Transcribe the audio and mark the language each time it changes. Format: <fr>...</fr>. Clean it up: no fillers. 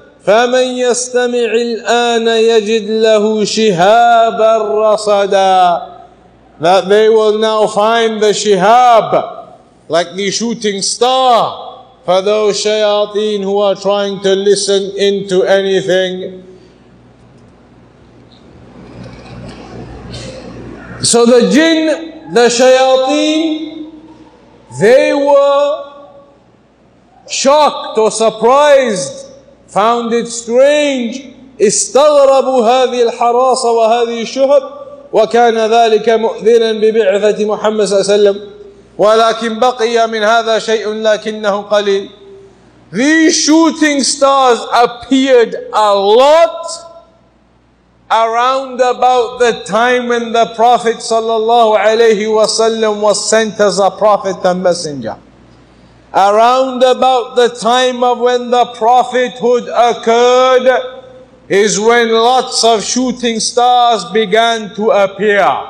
<ar>فَمَنْ يَسْتَمِعِ الْآنَ يَجِدْ لَهُ شِهَابًا رَصَدًا,</ar> <en>that they will now find the shihab, like the shooting star, for those shayateen who are trying to listen into anything. So the jinn, the shayateen, they were shocked or surprised, found it strange.</en> <ar>استغربوا هذه الحراسة وهذه الشهب وكان ذلك مؤذنا ببعثة محمد صلى الله عليه وسلم ولكن بقي من هذا شيء لكنه قليل.</ar> <en>These shooting stars appeared a lot around about the time when the Prophet sallallahu alayhi wasallam was sent as a prophet and messenger. Around about the time of when the prophethood occurred is when lots of shooting stars began to appear.</en>